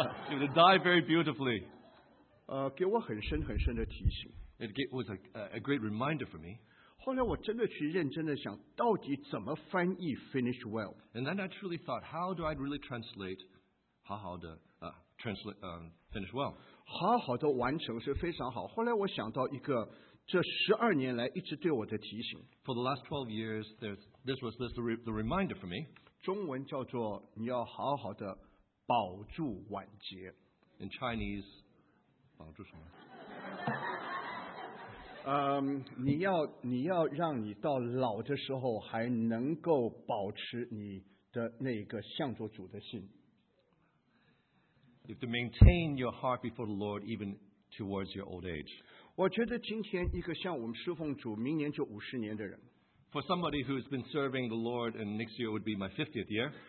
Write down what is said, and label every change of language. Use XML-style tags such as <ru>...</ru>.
<en>You will die very beautifully.</en> <zh>给我很深很深的提醒。</zh> <en>It was a great reminder for me.</en> <zh>后来我真的去认真的想，到底怎么翻译</zh> <en>finish well? And then I truly thought, how do I really translate</en> <zh>好好的</zh> <en>translate finish well?</en> <zh>好好的完成是非常好。后来我想到一个，这十二年来一直对我的提醒。</zh> <en>For the last 12 years, this was the reminder for me.</en> <zh>中文叫做你要好好的保住晚节。</zh> <en>In Chinese,</en> <zh>保住什么？你要让你到老的时候还能够保持你的那个向着主的心。</zh> <en>You have to maintain your heart before the Lord even towards your old age.</en> <zh>我觉得今天一个像我们侍奉主明年就五十年的人。</zh> <en>For somebody who's been serving the Lord and next year would be my 50th year.</en>